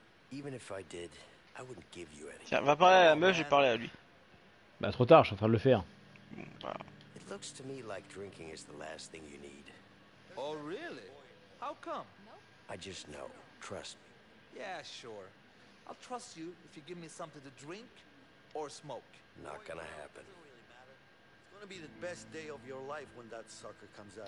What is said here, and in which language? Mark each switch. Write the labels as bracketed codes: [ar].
[en] Even if I did, I wouldn't give you anything. [fr] Tiens, va parler à la meuf, j'ai parlé à lui. Bah trop tard, je suis en train de le faire. [en] It looks to me like drinking is the last thing you need. Oh really? How come? I just know. Trust me. Yeah, sure. I'll trust you if you give me something to drink or smoke. Not gonna happen. It's gonna be the best day of your life when that sucker comes out.